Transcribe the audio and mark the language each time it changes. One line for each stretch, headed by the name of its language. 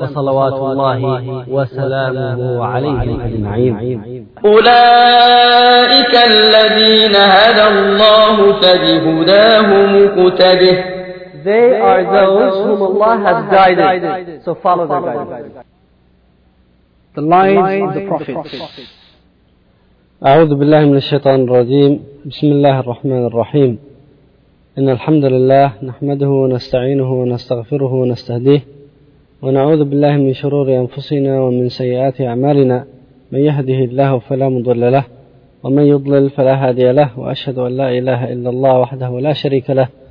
Arabic: وصلوات الله وسلامه عليه أجمعين أولئك الذين هدى الله فبهداه مقتده
English: They are those whom Allah has guided. So follow their guidance. The lines of the prophets.
Arabic: أعوذ بالله من الشيطان الرجيم بسم الله الرحمن الرحيم إن الحمد لله نحمده ونستعينه ونستغفره ونستهديه ونعوذ بالله من شرور أنفسنا ومن سيئات أعمالنا من يهده الله فلا مضل له ومن يضلل فلا هادي له وأشهد أن لا إله إلا الله وحده لا شريك له